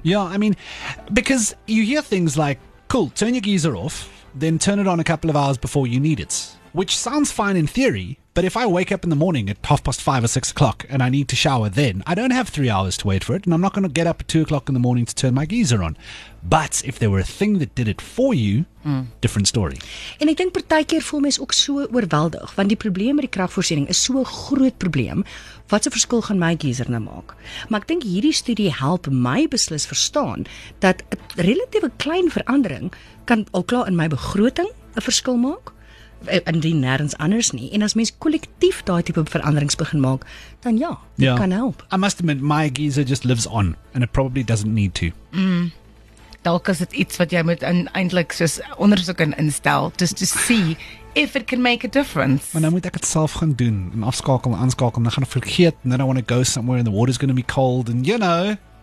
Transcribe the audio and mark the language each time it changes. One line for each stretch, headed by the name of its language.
English: Yeah, I mean, because you hear things like, cool, turn your geyser off, then turn it on a couple of hours before you need it, which sounds fine in theory, but if I wake up in the morning at 5:30 or 6:00 and I need to shower then, I don't have 3 hours to wait for it, and I'm not going to get up at 2:00 in the morning to turn my geyser on. But if there were a thing that did it for you, different story.
Afrikaans: En ek dink partykeer voel mens ook so oorweldig, want die probleem met die kragvoorsiening is so 'n groot probleem. Wat se verskil gaan my geyser nou maak? Maar ek dink hierdie studie help my beslis verstaan dat 'n relatiewe klein verandering kan al klaar in my begroting 'n verskil maak. En die nêrens anders nie. En as mens kollektief daai tipe veranderings begin maak, dan ja, dit kan help.
English: I must admit, my geyser just lives on, and it probably doesn't need to.
Afrikaans: Dalk is dit iets wat jy moet eintlik soos ondersoek en instel,
English: just to see if it can make a difference.
Afrikaans: Maar dan moet ek dit self gaan doen, en afskakel en aanskakel, dan gaan ek vergeet,
English: and then I want to go somewhere and the water's going to be cold, and you know.